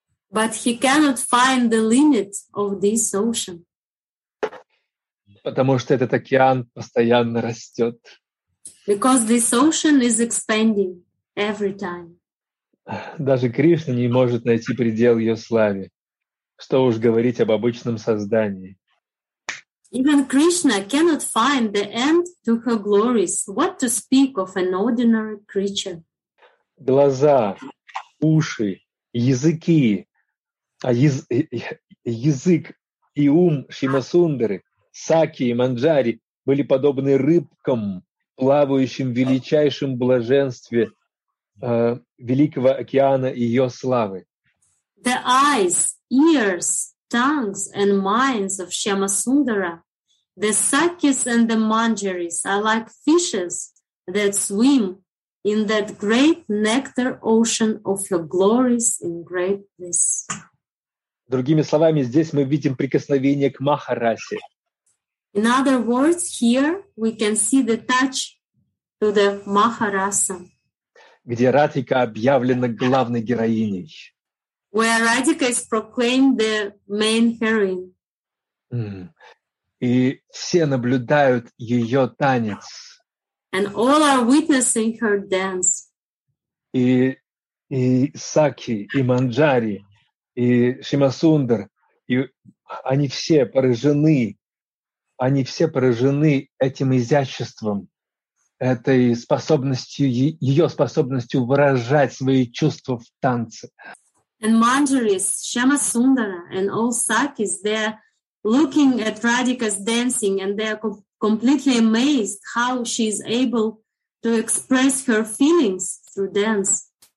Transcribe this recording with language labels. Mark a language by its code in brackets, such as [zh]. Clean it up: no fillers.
[en] But he cannot find the limit of this ocean. [ru] Потому что этот океан постоянно растет. [en] Because this ocean is expanding every time. [ru] Даже Кришна не может найти предел ее славе. Что уж говорить об обычном создании. [en] Even Krishna cannot find the end to her glories. What to speak of an ordinary creature? [ru] Глаза, уши, языки, язык и ум Шимасундары, Саки и Манджари были подобны рыбкам, плавающим в величайшем блаженстве великого океана ее славы. [en] The eyes, ears, tongues and minds of Shyamasundara, the Sakis and the Manjaris are like fishes that swim in that great nectar ocean of your glories in greatness. [ru] Другими словами, здесь мы видим прикосновение к Махарасе. [en] In other words, here we can see the touch to the Махараса. [ru] Где Радхика объявлена главной героиней. [en] Where Radhika is proclaimed the main heroine. [ru] И все наблюдают ее танец. [en] And all are witnessing her dance. [ru] И Саки, и Манджари, и Шимасундар, и они все поражены. Они все поражены этим изяществом, этой способностью, ее способностью выражать свои чувства в танце. [en] And Manjaris, Shyamasundara, and all Sakis, they're looking at Radhika's dancing and they're completely amazed how she is able to express her feelings through dance.